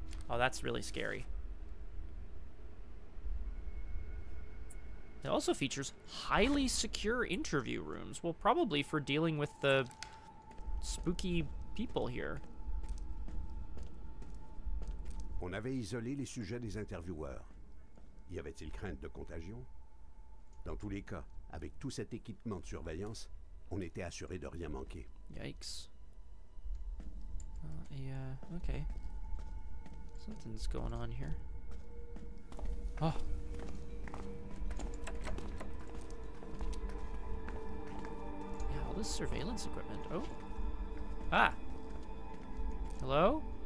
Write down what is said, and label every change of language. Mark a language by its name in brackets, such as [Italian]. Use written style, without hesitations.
[English] Oh, that's really scary. It also features highly secure interview rooms. Well, probably for dealing with the spooky people here. [French] On avait isolé les sujets des intervieweurs. Y avait-il crainte de contagion? Dans tous les cas, avec tout cet équipement de surveillance, on était assuré de rien manquer. [English] Yikes. Okay. Something's going on here. Oh. Yeah, all this surveillance equipment. Oh. Ah. Hello?